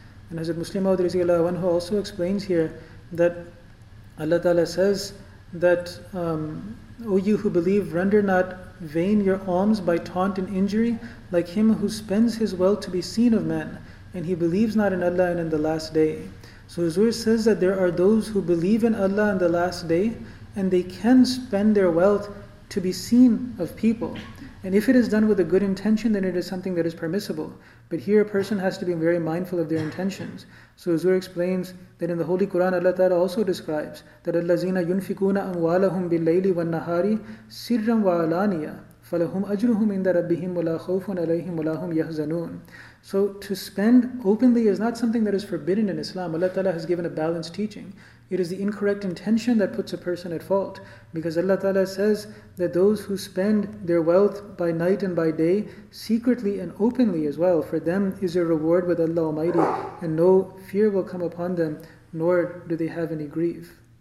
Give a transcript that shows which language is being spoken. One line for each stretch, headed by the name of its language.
English: And Hazrat Muslim Maud رضي الله عنه also explains here that Allah Ta'ala says that, O you who believe, render not vain your alms by taunt and injury, like him who spends his wealth to be seen of men, and he believes not in Allah and in the last day. So Huzur says that there are those who believe in Allah on the last day, and they can spend their wealth to be seen of people. And if it is done with a good intention, then it is something that is permissible. But here a person has to be very mindful of their intentions. So Huzur explains that in the Holy Quran, Allah Ta'ala also describes that
Arabic: الَّذِينَ يُنْفِقُونَ أَمْوَالَهُمْ بِاللَّيْلِ وَالنَّهَارِ سِرًّا وَعَلَانِيَةً فَلَهُمْ أَجْرُهُمْ عِنْدَ رَبِّهِمْ وَلَا خَوْفٌ عَلَيْهِمْ وَلَا هُمْ يَحْزَنُونَ.
English: So to spend openly is not something that is forbidden in Islam. Allah Ta'ala has given a balanced teaching. It is the incorrect intention that puts a person at fault, because Allah Ta'ala says that those who spend their wealth by night and by day, secretly and openly as well, for them is a reward with Allah Almighty, and no fear will come upon them, nor do they have any grief.